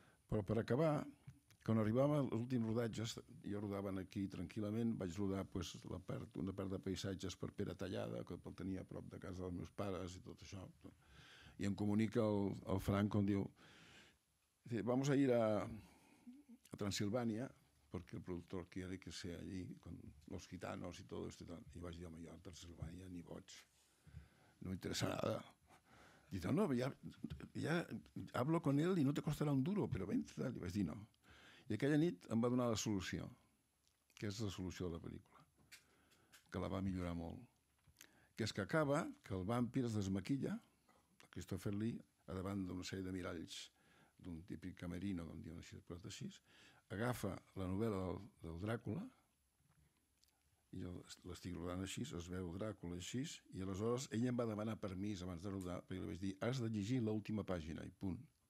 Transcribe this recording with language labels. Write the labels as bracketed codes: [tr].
[ca] Però per acabar, quan arribava als últims rodatges, jo rodava aquí tranquil·lament, vaig rodar, pues, la part, una part de paisatges per Pere Tallada, que el tenia a prop de casa dels meus pares i tot això, i em comunica el Franco, on diu, [es] vamos a ir a Transilvània, [ca] perquè el productor [es] quiere que sea allí con los gitanos y todo esto. [ca] I vaig dir, home, jo a Transilvània ni boig, no m'interessa nada. I diu, no, ja [es] hablo con él y no te costará un duro, pero vente. [ca] I vaig dir, no. I aquella nit em va donar la solució, que és la solució de la pel·lícula, que la va millorar molt. Que és que acaba que el vampir es desmaquilla, Christopher Lee, a davant d'una sèrie de miralls d'un típic camerino, com diuen així, però d'així, agafa la novel·la del Dràcula, i jo l'estic rodant així, es veu Dràcula així, i aleshores ella em va demanar permís abans de rodar, perquè li vaig dir, has de llegir l'última pàgina, i punt.